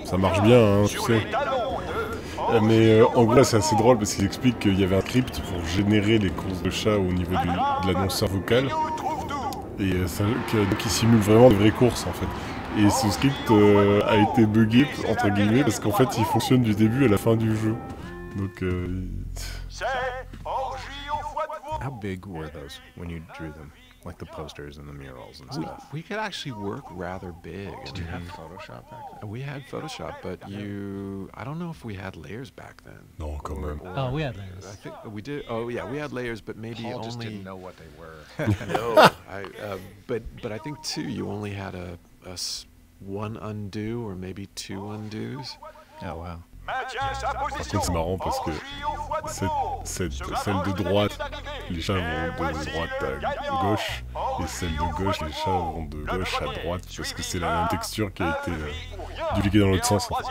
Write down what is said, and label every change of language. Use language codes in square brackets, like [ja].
[fr] Ça marche bien, hein, tu sais. Mais en gros, c'est assez drôle parce qu'il explique qu'il y avait un script pour générer les courses de chats au niveau de l'annonceur vocal. Et qui simule vraiment de vraies courses, en fait. Et ce script a été buggé, entre guillemets, parce qu'en fait, il fonctionne du début à la fin du jeu. Donc... [en] How big were those when you drew them? Like the posters and the murals and stuff? We could actually work rather big. Did you have Photoshop back then? We had Photoshop, but you... I don't know if we had layers back then. No, come on. Oh, we had layers. I think we did. Oh, yeah, we had layers, but maybe Paul only... just didn't know what they were. No. But I think, too, you only had one undo or maybe two undos. Oh, wow. [fr] Par contre, c'est marrant parce que celle de droite, les chats vont de droite à gauche, et celle de gauche, les chats vont de gauche à droite, parce que c'est la même texture qui a été dupliquée dans l'autre sens.